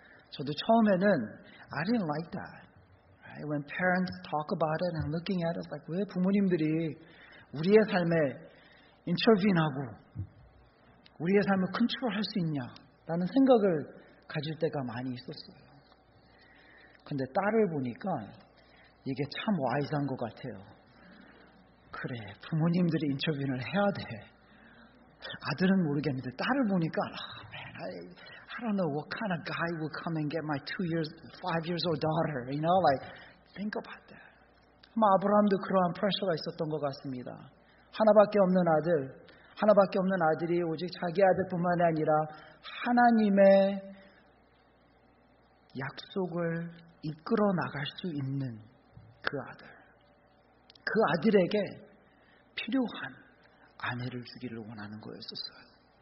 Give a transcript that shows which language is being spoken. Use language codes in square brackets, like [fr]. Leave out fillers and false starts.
[ko] 저도 처음에는 [en] I didn't like that. When parents talk about it and looking at us, like, [ko] 왜 부모님들이 우리의 삶에 인터뷰하고 우리의 삶을 컨트롤할 수 있냐라는 생각을 가질 때가 많이 있었어요. 근데 딸을 보니까 이게 참 와이즈한 것 같아요. 그래, 부모님들이 인터뷰를 해야 돼. 아들은 모르겠는데 딸을 보니까 [en] I don't know what kind of guy would come and get my five years old daughter, you know, like, think about that. [ko] 아마 아브라함도 그러한 프레셔가 있었던 것 같습니다. 하나밖에 없는 아들, 하나밖에 없는 아들이 오직 자기 아들뿐만 아니라 하나님의 약속을 이끌어 나갈 수 있는 그 아들, 그 아들에게 필요한 아내를 주기를 원하는 거였었어요.